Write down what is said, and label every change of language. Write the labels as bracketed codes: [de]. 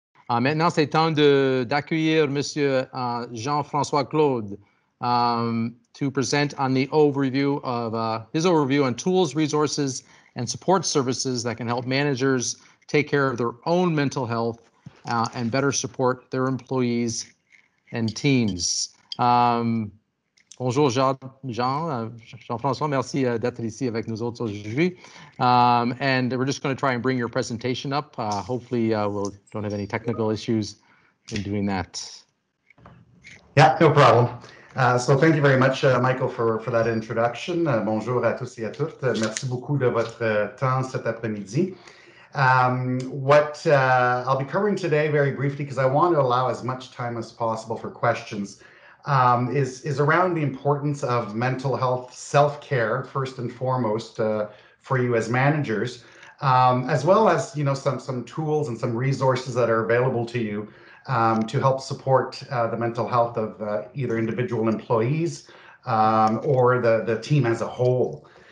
[fr] Maintenant, c'est temps d'accueillir Monsieur [en] Jean-François Claude to present on the overview of his overview on tools, resources, and support services that can help managers take care of their own mental health and better support their employees and teams. [fr] Bonjour Jean-François, merci d'être ici avec nous autres aujourd'hui. [en] And we're just going to try and bring your presentation up. Hopefully, we don't have any technical issues in doing that. Yeah, no problem. So thank you very much, Michael, for that introduction. [fr] Bonjour à tous et à toutes. Merci beaucoup de votre temps cet après-midi. [en] What I'll be covering today very briefly, because I want to allow as much time as possible for questions, is around the importance of mental health self-care, first and foremost, for you as managers, as well as, you know, some tools and some resources that are available to you to help support the mental health of either individual employees or the team as a whole.